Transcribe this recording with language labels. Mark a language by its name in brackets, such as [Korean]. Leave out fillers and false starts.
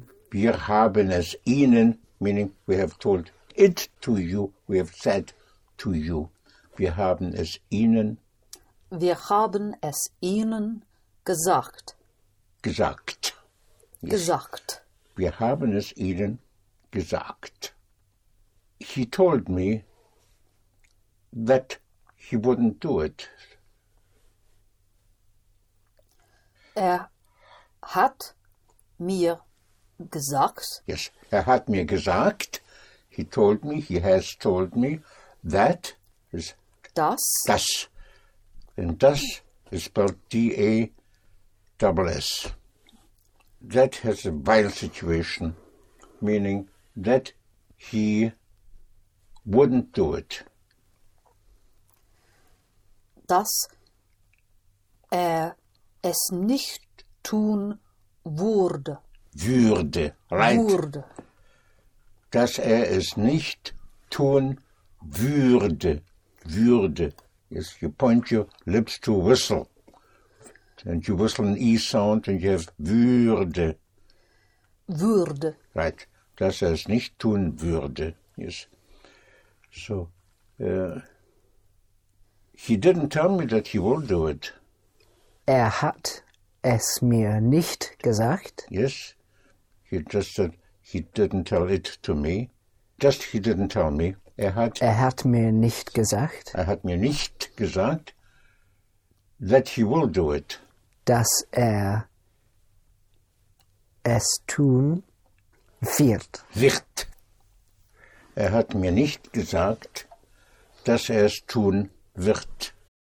[German] Wir haben es Ihnen, [English] meaning we have told it to you, we have said to you. [German] Wir haben es Ihnen. Wir haben es Ihnen gesagt. Gesagt. [English] Yes. Gesagt. [German] Wir haben es Ihnen gesagt. [English] He told me that he wouldn't do it. [German] Er hat mir gesagt. Yes, er hat mir gesagt. [English] He told me, he has told me that is [German] das. [English] Das. And das is spelled D-A-S-S. That has a vile situation, meaning that he wouldn't do it. [German] Dass er es nicht tun würde. Würde, right. Würde. Dass er es nicht tun würde. Würde. [English] Yes, you point your lips to whistle. And you whistle an E sound and you have würde. [German] Würde. [English] Right. [German] Dass er es nicht tun würde. [English] Yes. So, he didn't tell me that he will do it. [German] Er hat es mir nicht gesagt. [English] Yes. He just said he didn't tell it to me. Just he didn't tell me. [German] Er hat mir nicht gesagt. Er hat mir nicht gesagt [English] that he will do it. [German] Dass er es tun wird. Wird. Er hat mir nicht gesagt, dass er es tun wird.